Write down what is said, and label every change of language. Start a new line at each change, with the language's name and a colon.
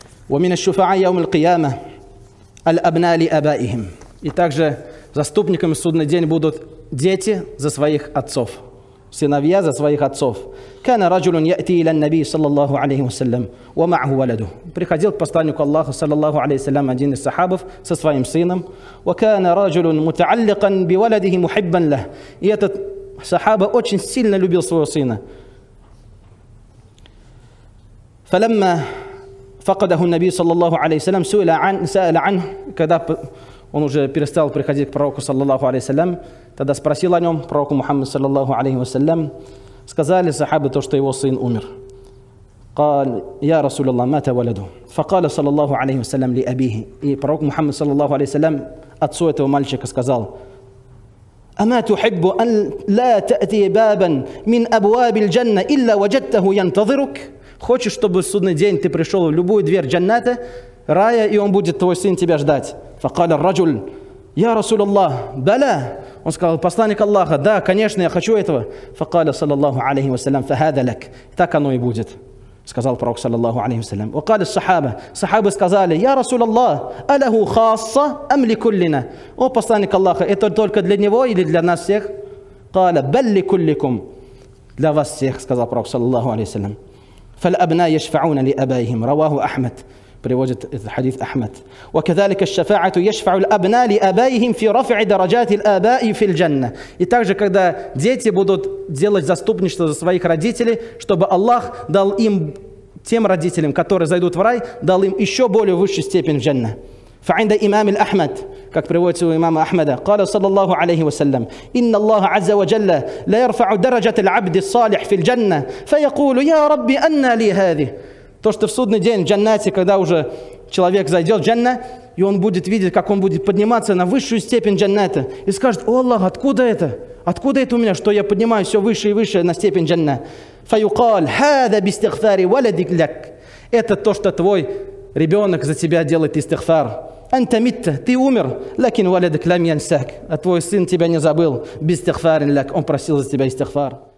Arabic: ومن الشفعاء يوم القيامة الأبناء لآبائهم.
Russian: И также заступниками в судный день будут дети за своих отцов, сыновья за своих отцов.
Arabic: كان رجل يأتي إلى النبي صلى الله عليه وسلم ومعه ولده.
Russian: Приходил к посланнику Аллаха صلى الله عليه وسلم один из сахабов со своим сыном.
Arabic: وكان رجل متعلقا بولده محبا له.
Russian: И этот сахаба очень сильно любил своего сына.
Arabic: فلما فقده النبي صلى الله عليه وسلم سأل عنه,
Russian: когда он уже перестал приходить к пророку صلى الله عليه وسلم, тогда спросил о нем пророку Мухаммад صلى الله عليه وسلم. Сказали сахабы то, что его сын умер.
Arabic: قال يا رسول الله مات ولده. فقال صلى الله عليه وسلم لأبيه.
Russian: И пророк Мухаммад صلى الله عليه وسلم отцу этого мальчика сказал:
Arabic: أما تحب أن لا تأتي بابا من أبواب الجنة إلا وجدته ينتظرك.
Russian: Хочешь, чтобы в судный день ты пришел в любую дверь джанната, рая, и он будет, твой сын, тебя ждать?
Arabic: Факаля раджуль, я Расул Аллах, бала.
Russian: Он сказал, посланник Аллаха, да, конечно, я хочу этого.
Arabic: Факаля, саллаллаху алейхи вассалям, фахада лак.
Russian: Так оно и будет, сказал пророк, саллаллаху алейхи вассалям.
Arabic: Вакаля сахаба,
Russian: сахабы сказали,
Arabic: я Расул Аллах, аляху хасса, ам ли куллина.
Russian: О, посланник Аллаха, это только для него или для нас всех?
Arabic: Каля, бал ли кулликум.
Russian: Для вас всех, сказал пророк, саллаллаху алейхи вассалям.
Arabic: فالأبناء يشفعون لأبائهم رواه أحمد بروجت الحديث أحمد وكذلك الشفاعة يشفع الأبناء لأبائهم في رفع درجات الآباء في الجنة.
Russian: И также когда дети будут делать заступничество за своих родителей, чтобы Аллах дал им, тем родителям, которые зайдут в рай, дал им еще более высшую степень в Джанна.
Arabic: فعند إمام الأحمد
Russian: как приводится у имама Ахмада,
Arabic: قال صلى الله عليه وسلم إن الله عز وجل لا يرفع درجة العبد الصالح في الجنة فيقول يا ربي أنا لي هذه.
Russian: То, что в судный день в джаннате, когда уже человек зайдет в джанна, и он будет видеть, как он будет подниматься на высшую степень джанната, и скажет: «О Аллах, откуда это? Откуда это у меня, что я поднимаюсь все выше и выше на степень джанна?»
Arabic: فيقال هذا باستغفار ولدك لك.
Russian: Это то, что твой ребенок за тебя делает истихфар.
Arabic: أنت ميت,
Russian: ты умер,
Arabic: لكن ولدك لم ينساك.
Russian: А твой сын тебя не забыл.
Arabic: Бистихфарин лак.
Russian: Он просил за тебя истихфар.